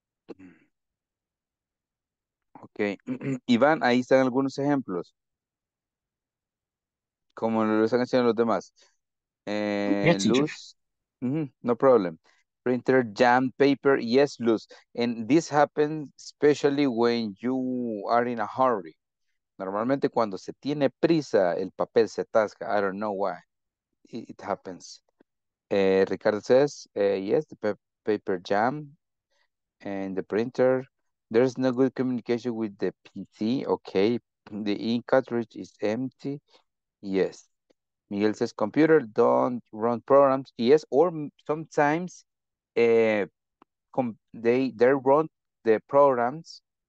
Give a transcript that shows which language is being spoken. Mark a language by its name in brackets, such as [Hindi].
[Spanish] Okay, Iván, ahí están algunos ejemplos. Como lo están haciendo los demás. Yes, Luz. Mm-hmm. No problem. [English] Printer jammed paper. Yes, Luz. And this happens especially when you are in a hurry. [Spanish] Normalmente cuando se tiene prisa, el papel se atasca. [English] I don't know why. It happens. Ricardo says, yes, the paper jam and the printer. There's no good communication with the PC. Okay. The ink cartridge is empty. Yes. Miguel says, computer don't run programs. Yes. Or sometimes they run the programs.